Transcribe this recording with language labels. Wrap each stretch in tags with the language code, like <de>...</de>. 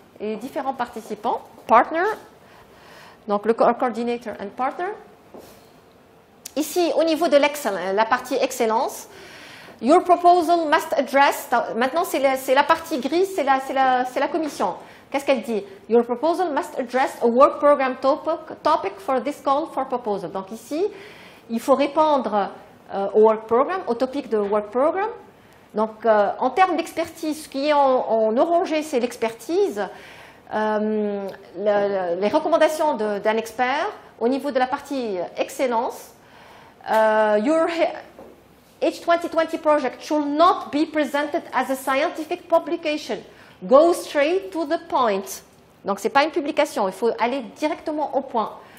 <fr>Et différents participants, partner. Donc, le coordinator and partner. Ici, au niveau de la partie excellence,</fr> <en>your proposal must address...</en> <fr>Maintenant, c'est la partie grise, c'est la commission. Qu'est-ce qu'elle dit?</fr> <en>Your proposal must address a work program topic for this call for proposal.</en> <fr>Donc ici, il faut répondre au work program, au topic de work program. Donc, en termes d'expertise, ce qui est en orange, c'est l'expertise. Les recommandations d'un expert au niveau de la partie excellence.</fr> <en>Your H2020 project should not be presented as a scientific publication. Go straight to the point.</en> <fr>Donc, ce n'est pas une publication, il faut aller directement au point.</fr>